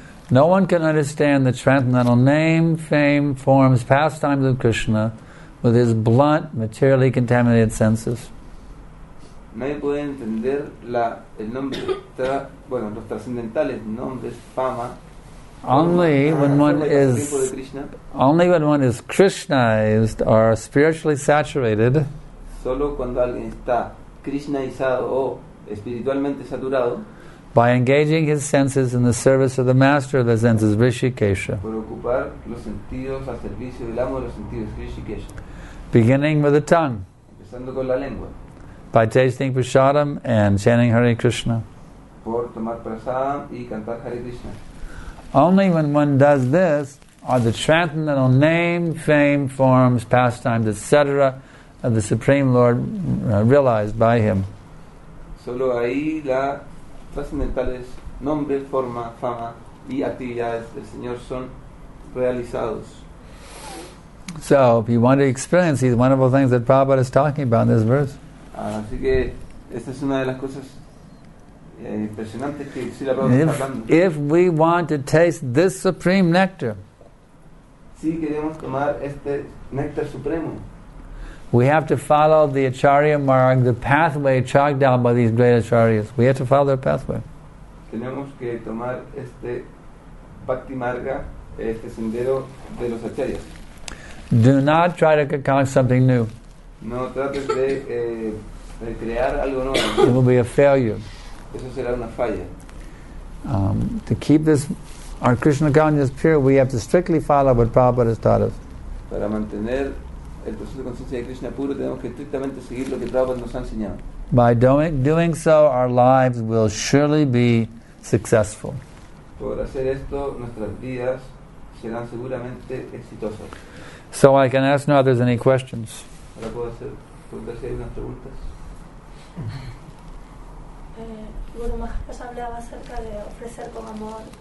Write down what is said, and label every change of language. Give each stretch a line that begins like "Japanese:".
English: No one can understand the transcendental name, fame, forms, pastimes of Krishna with his blunt, materially contaminated senses.
Spanish: Nadie puede entender el nombre, bueno, los trascendentales nombres, fama.
English: Only when one is Krishnaized or spiritually saturated,
Spanish: solo cuando alguien está Krishnaizado o espiritualmente saturado,
English: by engaging his senses in the service of the master of the senses, Rishikesha,
Spanish: por ocupar los sentidos al servicio del amo de los sentidos, Rishikesha,
English: beginning with the tongue,
Spanish: empezando con la lengua,
English: by tasting prasadam and chanting Hare Krishna,
Spanish: por tomar prasadam y cantar Hare Krishna.
English: Only when one does this are the transcendental name, fame, forms, pastimes, etc. of the Supreme Lord realized by him.
Spanish: Solo ahí la trascendentales nombre, forma, fama y actividades del Señor son realizados.
English: So, if you want to experience these wonderful things that Prabhupada is talking about in this verse.
Spanish: Así que esta es una de las cosas.
English: If we want to taste this supreme nectar,
Spanish: si queremos tomar este néctar supremo,
English: we have to follow the Acharya Marg, the pathway chalked down by these great Acharyas. We have to follow their pathway.
Spanish: tenemos que tomar este bhakti marga, este sendero de los acharyas.
English: Do not try to concoct something new.
Spanish: No trates de crear algo nuevo.
English: It will be a failure.
Spanish: Eso será una falla.
English: To keep this, our Krishna consciousness pure, we have to strictly follow what Prabhupada has taught us.
Spanish: Para mantener el proceso de conciencia de Krishna puro, tenemos que estrictamente seguir lo que Prabhupada nos ha enseñado.
English: By doing so, our lives will surely be successful.
Spanish: Por hacer esto, nuestras vidas serán seguramente exitosas.
English: So I can ask now if there's any questions.
Spanish: Ahora puedo hacer preguntas, si hay unas preguntas. Bueno, Mahapas hablaba acerca de ofrecer con amor.